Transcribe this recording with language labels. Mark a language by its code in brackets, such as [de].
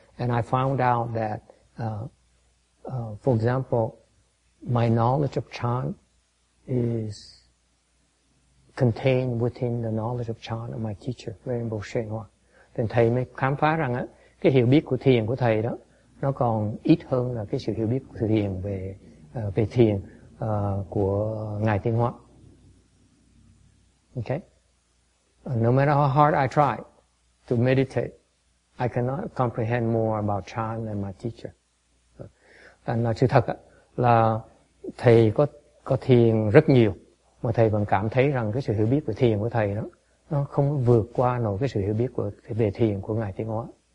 [en] And I found out that for example, my knowledge of Chan is contained within the knowledge of Chan of my teacher, Rinpoche Shen Hoa. [vi] Then thầy mới khám phá rằng á, cái hiểu biết của thiền của thầy đó nó còn ít hơn là cái sự hiểu biết của thiền về về thiền của ngài Tiên Hoa. [en] Okay. No matter how hard I try to meditate, I cannot comprehend more about Chan than my teacher. [vi] Nó sự thật là thầy có thiền rất nhiều mà thầy vẫn cảm thấy rằng cái sự hiểu biết về thiền của thầy nó không vượt qua nổi cái sự hiểu biết của về thiền của ngài Tiên Hóa.